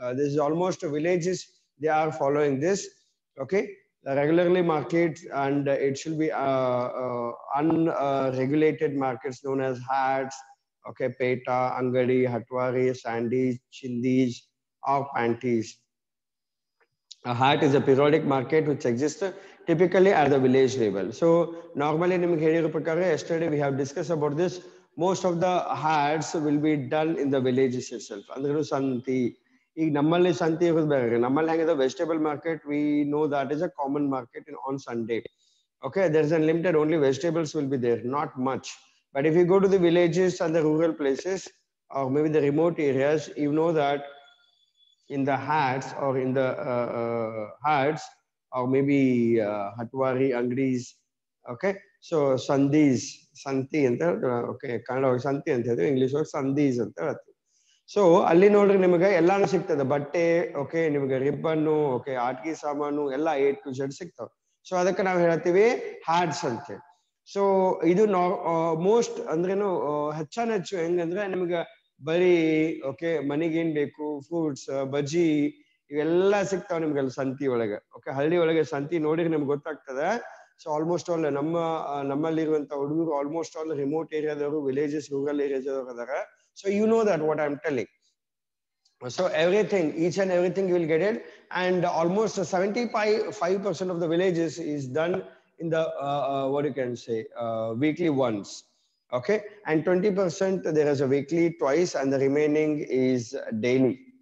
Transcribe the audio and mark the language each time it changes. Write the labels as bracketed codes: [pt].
[en] This is almost villages, they are following this. Okay, regularly market, and it should be unregulated markets known as hats, okay, peta, angadi, hatwari, sandies, chindis or panties. A hat is a periodic market which exists typically at the village level. So normally [kn] nimge heliru prakara, [en] yesterday we have discussed about this, most of the hats will be done in the villages itself. [kn] Andru santi, ಈಗ ನಮ್ಮಲ್ಲಿ ಸಂತಿ ಇರೋದ್ರಿ, ನಮ್ಮಲ್ಲಿ ಹೆಂಗಿದೆ [en] Vegetable market, we know that is a common market in on Sunday. Okay, there is unlimited, only vegetables will be there, not much. But if you go to the villages and the rural places or maybe the remote areas, you know that in the hats are in the hats are maybe ಹಟ್ವಾರಿ ಅಂಗಡೀಸ್. [kn] Okay, so ಸಂದೀಸ್ ಸಂತಿ ಅಂತ ಹೇಳ್ತೀವಿ. Okay, Kannada ಒಳಗೆ ಸಂತಿ ಅಂತ ಹೇಳ್ತೀವಿ, English ಒಳಗೆ ಸಂದೀಸ್ ಅಂತ ಹೇಳ್ತೀವಿ. ಸೊ ಅಲ್ಲಿ ನೋಡ್ರಿ ನಿಮಗೆ ಎಲ್ಲಾನು ಸಿಗ್ತದೆ, ಬಟ್ಟೆ, ಓಕೆ, ನಿಮಗೆ ರಿಬ್ಬನ್ನು, ಓಕೆ, ಆಟಿಕೆ ಸಾಮಾನು ಎಲ್ಲ ಎ ಟು ಝಡ್ ಸಿಗ್ತಾವ. ಸೊ ಅದಕ್ಕೆ ನಾವು ಹೇಳ್ತೀವಿ ಹ್ಯಾಟ್ಸ್ ಅಂತೆ. ಸೊ ಇದು ಮೋಸ್ಟ್ ಅಂದ್ರೇನು ಹೆಚ್ಚಾನ ಹೆಚ್ಚು ಹೆಂಗಂದ್ರೆ ನಿಮ್ಗೆ ಬರೀ, ಓಕೆ, ಮನೆಗೇನ್ ಬೇಕು, ಫ್ರೂಟ್ಸ್, ಬಜ್ಜಿ ಇವೆಲ್ಲ ಸಿಗ್ತಾವ ನಿಮ್ಗೆ ಅಲ್ಲಿ ಸಂತಿ ಒಳಗೆ. ಓಕೆ, ಹಳ್ಳಿ ಒಳಗೆ ಸಂತಿ ನೋಡಿದ್ರೆ ನಿಮ್ಗೆ ಗೊತ್ತಾಗ್ತದೆ. ಸೊ ಆಲ್ಮೋಸ್ಟ್ ಆಲ್ ನಮ್ಮಲ್ಲಿ ಇರುವಂತ ಹುಡುಗರು almost all remote ಏರಿಯಾದವರು, villages rural ಏರಿಯಾದವರು ಅದಾರ. [en] So you know that what I am telling. So everything, each and everything you will get it, and almost 75% of the villages is done in the what you can say weekly once. Okay, and 20% there is a weekly twice, and the remaining is daily.